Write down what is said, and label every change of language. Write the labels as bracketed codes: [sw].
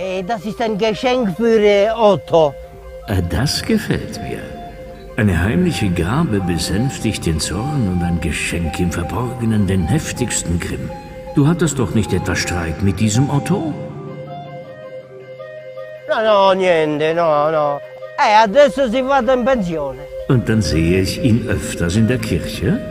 [de] Das ist ein Geschenk für Otto. Das gefällt mir. Eine heimliche Gabe besänftigt den Zorn und ein Geschenk im Verborgenen den heftigsten Grimm. Du hattest doch nicht etwa Streit mit diesem Otto? [it] No, no, niente, no, no. Adesso si va in pensione. [de] Und dann sehe ich ihn öfters in der Kirche?